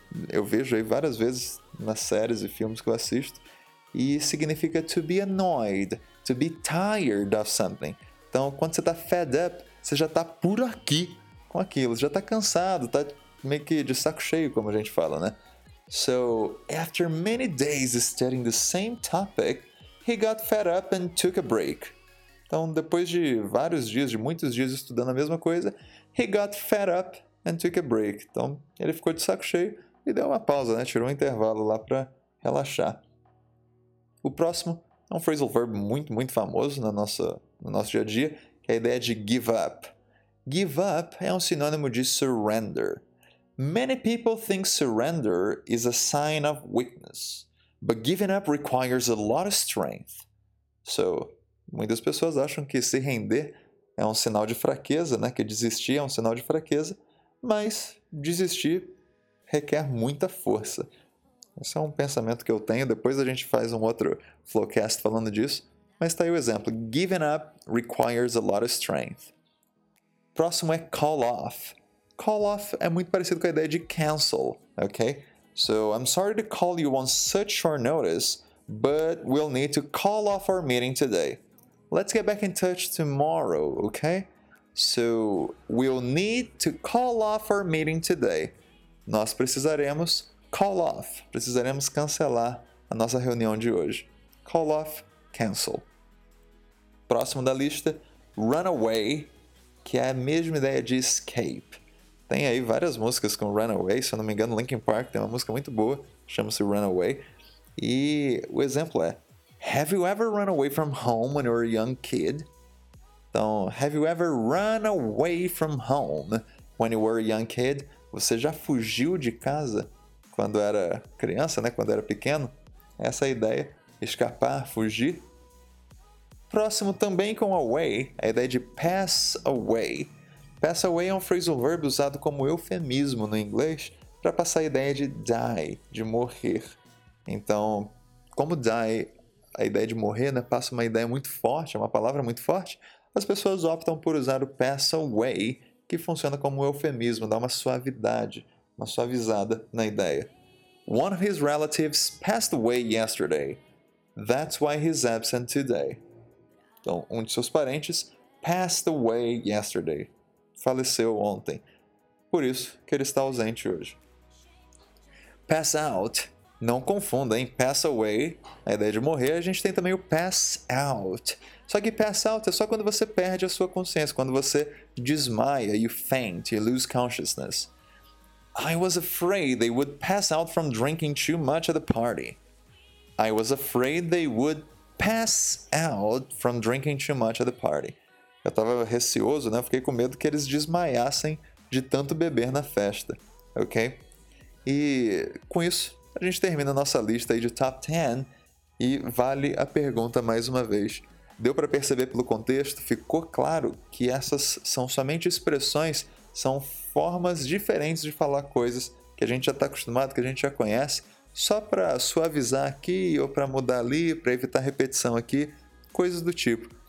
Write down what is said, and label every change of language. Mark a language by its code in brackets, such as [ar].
[pt] Eu vejo aí várias vezes nas séries e filmes que eu assisto e significa [en] to be annoyed, to be tired of something. [pt] Então, quando você tá fed up, você já tá por aqui com aquilo, já tá cansado, tá meio que de saco cheio, como a gente fala, né? [en] So, after many days studying the same topic, he got fed up and took a break. [pt] Então, depois de vários dias, de muitos dias estudando a mesma coisa, [en] he got fed up and took a break. [pt] Então, ele ficou de saco cheio, e deu uma pausa, né? Tirou um intervalo lá para relaxar. O próximo é um phrasal verb muito, muito famoso na nossa, no nosso dia a dia, que é a ideia de give up. Give up é um sinônimo de surrender. [en] Many people think surrender is a sign of weakness, but giving up requires a lot of strength. [pt] So, muitas pessoas acham que se render é um sinal de fraqueza, né? Que desistir é um sinal de fraqueza, mas desistir requer muita força. Esse é um pensamento que eu tenho, depois a gente faz um outro flowcast falando disso, mas tá aí o exemplo. [en] Giving up requires a lot of strength. [pt] Próximo é call off. Call off é muito parecido com a ideia de cancel, ok? [en] So, I'm sorry to call you on such short notice, but we'll need to call off our meeting today. Let's get back in touch tomorrow, ok? So, we'll need to call off our meeting today. [pt] Nós precisaremos call off. Precisaremos cancelar a nossa reunião de hoje. [en] Call off, cancel. [pt] Próximo da lista, run away, que é a mesma ideia de escape. Tem aí várias músicas com Runaway, se eu não me engano, Linkin Park tem uma música muito boa, chama-se Runaway. E o exemplo é: [en] Have you ever run away from home when you were a young kid? Então, have you ever run away from home when you were a young kid? [pt] Você já fugiu de casa quando era criança, né? Quando era pequeno? Essa é a ideia, escapar, fugir. Próximo também com away, a ideia de pass away. Pass away é um phrasal verb usado como eufemismo no inglês para passar a ideia de die, de morrer. Então, como die, a ideia de morrer, né, passa uma ideia muito forte, uma palavra muito forte, as pessoas optam por usar o pass away, que funciona como eufemismo, dá uma suavidade, uma suavizada na ideia. [en] One of his relatives passed away yesterday. That's why he's absent today. [pt] Então, um de seus parentes [en] passed away yesterday. [pt] Faleceu ontem. Por isso que ele está ausente hoje. Pass out. Não confunda, hein? Pass away, a ideia de morrer. A gente tem também o pass out. Só que pass out é só quando você perde a sua consciência. Quando você desmaia, [en] you faint, you lose consciousness. I was afraid they would pass out from drinking too much at the party. I was afraid they would pass out from drinking too much at the party. [pt] Eu tava receoso, né? Fiquei com medo que eles desmaiassem de tanto beber na festa, ok? E com isso, a gente termina a nossa lista aí de top 10 e vale a pergunta mais uma vez. Deu para perceber pelo contexto? Ficou claro que essas são somente expressões, são formas diferentes de falar coisas que a gente já tá acostumado, que a gente já conhece, só para suavizar aqui ou para mudar ali, para evitar repetição aqui, coisas do tipo.